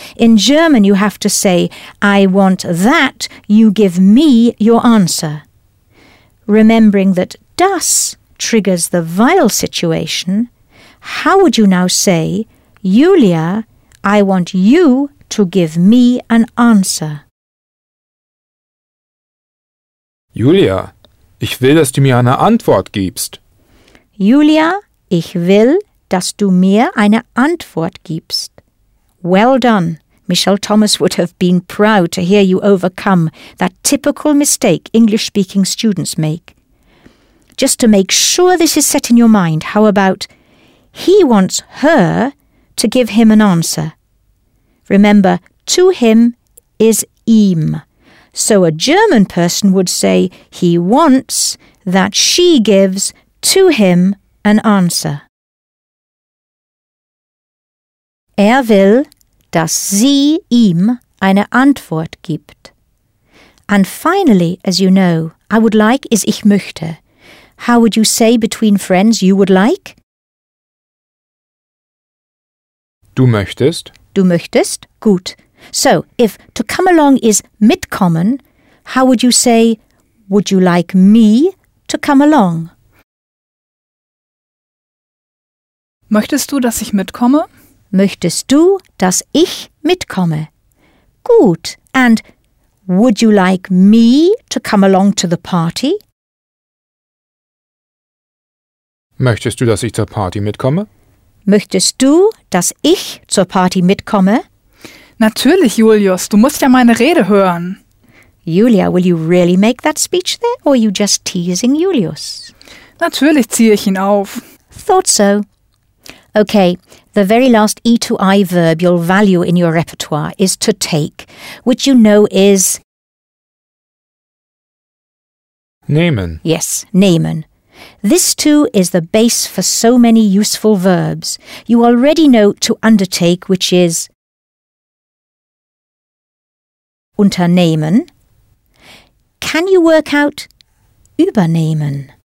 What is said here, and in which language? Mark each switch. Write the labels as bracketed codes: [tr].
[en] In German, you have to say, I want that you give me your answer. Remembering that das triggers the vile situation, how would you now say, Julia, I want you to give me an answer? [de] Julia, ich will, dass du mir eine Antwort gibst. Julia, ich will, dass du mir eine Antwort gibst. [en] Well done. Michelle Thomas would have been proud to hear you overcome that typical mistake English-speaking students make. Just to make sure this is set in your mind, how about he wants her to give him an answer? Remember, to him is ihm. So a German person would say he wants that she gives to him an answer. [de] Will, dass sie ihm eine Antwort gibt. [en] And finally, as you know, I would like is [de] ich möchte. [en] How would you say between friends you would like? [de] Du möchtest. Du möchtest, gut. [en] So, if to come along is mitkommen, how would you say, would you like me to come along? [de] Möchtest du, dass ich mitkomme? Möchtest du, dass ich mitkomme? Gut. [en] And would you like me to come along to the party? [de] Möchtest du, dass ich zur Party mitkomme? Möchtest du, dass ich zur Party mitkomme? Natürlich, Julius, du musst ja meine Rede hören. [en] Julia, will you really make that speech there, or are you just teasing Julius? [de] Natürlich ziehe ich ihn auf. [en] Thought so. Okay, the very last E2I verb you'll value in your repertoire is to take, which you know is... [de] Nehmen. [en] Yes, nehmen. This too is the base for so many useful verbs. You already know to undertake, which is... [de] Unternehmen. [en] Can you work out übernehmen?